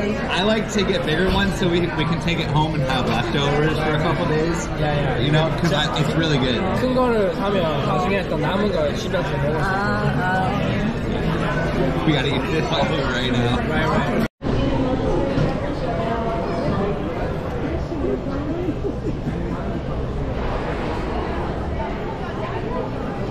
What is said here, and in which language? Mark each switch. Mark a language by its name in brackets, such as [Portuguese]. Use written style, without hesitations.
[English] I like to get bigger ones so we can take it home and have leftovers for a couple days. Yeah. You know, because it's really good. [Korean] 큰 거를 하면 나중에 또 남은 거 집에서 먹을 수 있어요. [English] We gotta eat this all over right now. Right.